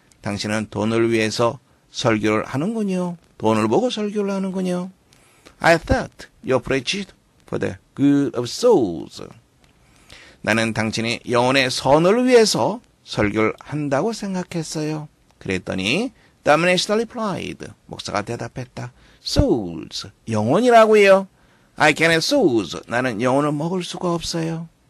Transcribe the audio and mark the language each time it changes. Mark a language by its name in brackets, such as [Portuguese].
[Korean] 당신은 돈을 위해서 설교를 하는군요. 돈을 보고 설교를 하는군요. [English] I thought you preached for the good of souls. [Korean] 나는 당신이 영혼의 선을 위해서 설교를 한다고 생각했어요. 그랬더니 [English] the minister replied. [Korean] 목사가 대답했다. [English] Souls. [Korean] 영혼이라고요? [English] I can't souls. [Korean] 나는 영혼을 먹을 수가 없어요.